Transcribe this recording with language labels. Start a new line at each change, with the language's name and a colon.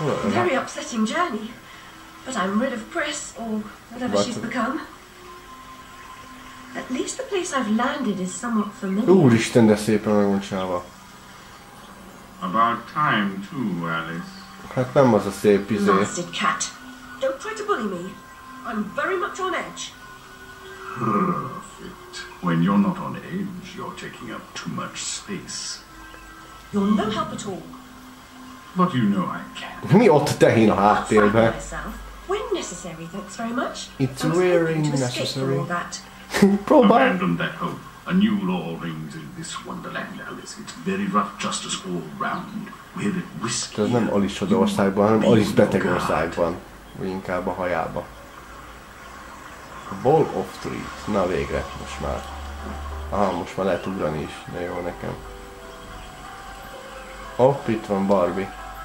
English: Very upsetting journey. But I'm rid of Pris, or whatever she's become. At least the place I've landed is somewhat familiar.
Hungarian: Úristen, de szépen meg van csinálva.
English: About time too, Alice.
Hungarian: Hát nem az a szép izé.
English: Nasty cat. Don't try to bully me. I'm very much on edge. Perfect. When you're not on edge, you're taking up too much space. You're no help at all. But you know I can.
Hungarian: Mi ott tehén a háttérben?
English: When necessary, thanks very much. It's very necessary. Abandon that hope. A new law reigns in this wonderland, Alice. It's very rough justice all round. We're at risk here.
Hungarian: Ez nem Alice csoda országban, hanem Alice beteg országban. Vagy inkább a hajába.
English: A Ball of Truth.
Hungarian: Na végre, most már. Aha, most már lehet ugrani is. De jó nekem. Hopp, itt van Barbie.